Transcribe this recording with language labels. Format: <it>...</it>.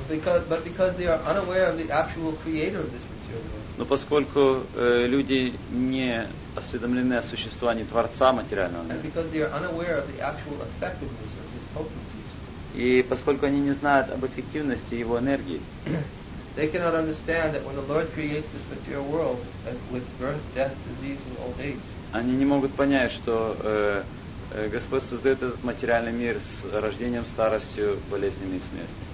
<en>But because they are unaware of the actual creator of this material life.</en> <ru>Но поскольку люди не осведомлены о существовании Творца материального мира.</ru> <en>And because they are unaware of the actual effectiveness of this potency.</en> <ru>И поскольку они не знают об эффективности его энергии,</ru> <en>they cannot understand that when the Lord creates this material world with birth, death, disease, and old age.</en> <ru>Они не могут понять, что Господь создает этот материальный мир с рождением, старостью, болезнями и смертью.</ru>